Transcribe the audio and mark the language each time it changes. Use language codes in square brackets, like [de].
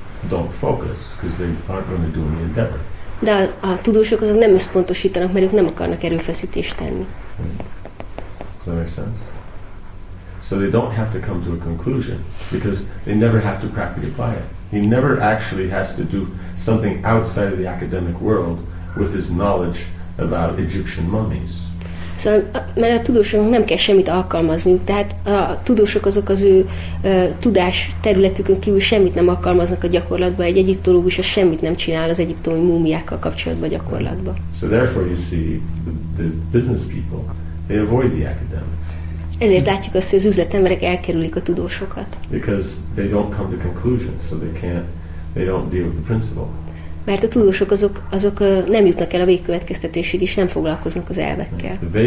[en] Don't focus, because they aren't going to do any endeavor. [hu] De a tudósok azok nem összpontosítanak, mert ők nem akarnak erőfeszítést tenni. [en] Does that make sense? So they don't have to come to a conclusion, because they never have to practically apply it. He never actually has to do something outside of the academic world with his knowledge about Egyptian mummies. [hu] Szóval, mert a tudósoknak nem kell semmit alkalmazniuk, tehát a tudósok azok az ő tudás területükön kívül semmit nem alkalmaznak a gyakorlatban, egy egyiptológus az semmit nem csinál az egyiptomi múmiákkal kapcsolatban a gyakorlatban. [en] So therefore you see the business people, they avoid the academics. [hu] Ezért látjuk azt, hogy az üzletemberek elkerülik a tudósokat. [en] Because they don't come to conclusions, so they don't deal with the principle. [hu] Mert a tudósok azok nem jutnak el a végkövetkeztetésig, és nem foglalkoznak az elvekkel.